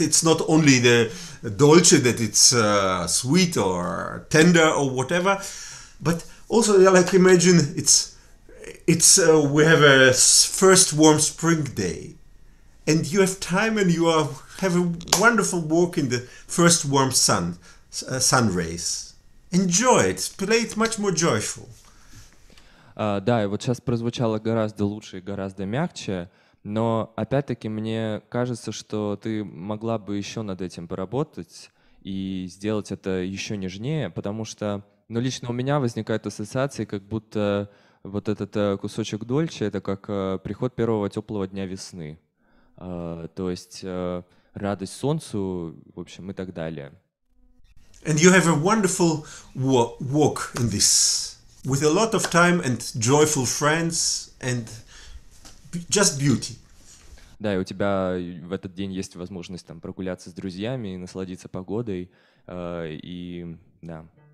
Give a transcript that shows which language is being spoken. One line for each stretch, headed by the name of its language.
English: It's not only the dolce that it's sweet or tender or whatever, but also, yeah, like imagine it's we have a first warm spring day, and you have time and you are have a wonderful walk in the first warm sun rays. Enjoy it, play it much more joyful.
Russian: Да, и вот сейчас прозвучало гораздо лучше и гораздо мягче, но опять-таки мне кажется, что ты могла бы еще над этим поработать и сделать это еще нежнее, потому что, ну, лично у меня возникают ассоциации, как будто вот этот кусочек дольче — это как приход первого теплого дня весны, то есть радость солнцу, в общем, и так далее.
English: And you have a wonderful walk in this, with a lot of time and joyful friends and just beauty.
Russian: Да, и у тебя в этот день есть возможность там прогуляться с друзьями, насладиться погодой, и да.